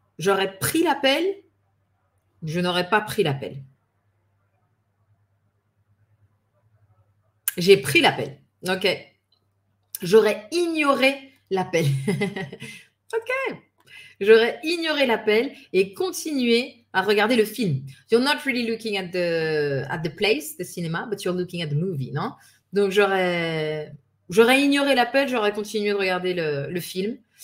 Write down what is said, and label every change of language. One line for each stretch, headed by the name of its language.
French: J'aurais pris l'appel, je n'aurais pas pris l'appel. J'ai pris l'appel. OK. J'aurais ignoré l'appel. OK. J'aurais ignoré l'appel et continué à regarder le film.
English: You're not really looking at the place, the cinema, but you're looking at the movie, non?
French: Donc j'aurais ignoré l'appel, j'aurais continué de regarder le film.